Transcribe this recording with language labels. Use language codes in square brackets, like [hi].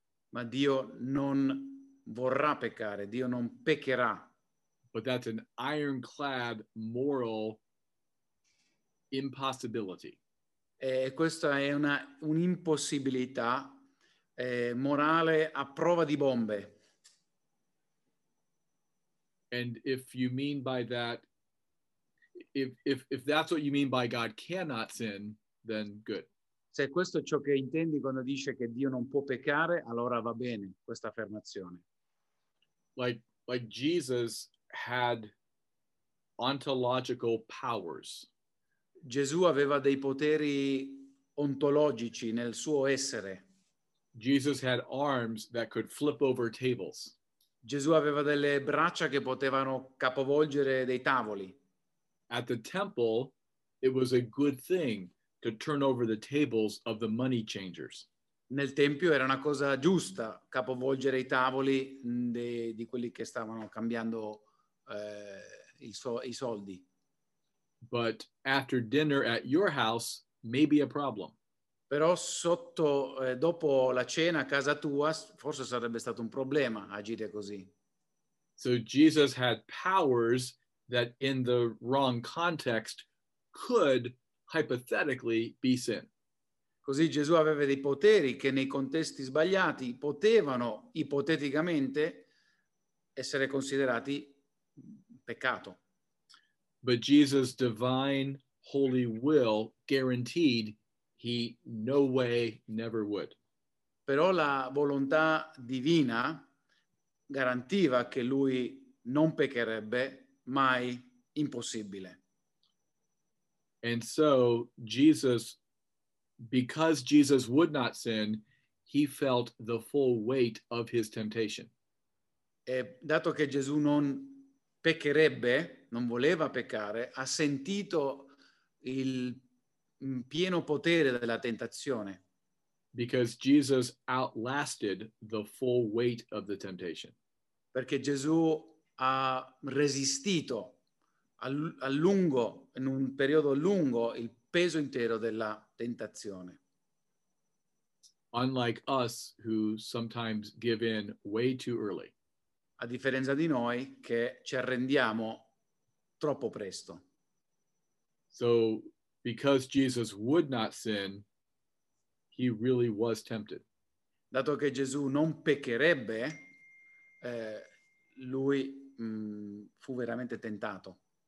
[it] ma Dio non vorrà peccare, Dio non peccherà. [en] But that's an ironclad moral impossibility. [it] E questa è una un'impossibilità morale a prova di bombe. [en] And if you mean by that, if that's what you mean by God cannot sin, then good. [it] Se questo è ciò che intendi quando dice che Dio non può peccare, allora va bene questa affermazione. [en] Like Jesus had ontological powers. [it] Gesù aveva dei poteri ontologici nel suo essere. [en] Jesus had arms that could flip over tables. [it] Gesù aveva delle braccia che potevano capovolgere dei tavoli. [en] At the temple, it was a good thing to turn over the tables of the money changers. [it] Nel tempio era una cosa giusta capovolgere i tavoli di quelli che stavano cambiando i soldi. [en] But after dinner at your house, maybe a problem. [it] Però sotto, dopo la cena a casa tua, forse sarebbe stato un problema agire così. [en] So Jesus had powers that in the wrong context could hypothetically be sin. [it] Così Gesù aveva dei poteri che nei contesti sbagliati potevano ipoteticamente essere considerati peccato. [en] But Jesus' divine holy will guaranteed he no way never would. [it] Però la volontà divina garantiva che lui non peccherebbe mai, impossibile. [en] And so Jesus, because Jesus would not sin, he felt the full weight of his temptation. [it] E dato che Gesù non peccherebbe, non voleva peccare, ha sentito il pieno potere della tentazione. [en] Because Jesus outlasted the full weight of the temptation. [it] Perché Gesù ha resistito a lungo, in un periodo lungo, il peso intero della tentazione. [en] Unlike us, who sometimes give in way too early. [it] A differenza di noi che ci arrendiamo troppo presto. [en] So, because Jesus would not sin, he really was tempted. [it] Dato che Gesù non peccherebbe, lui fu veramente tentato.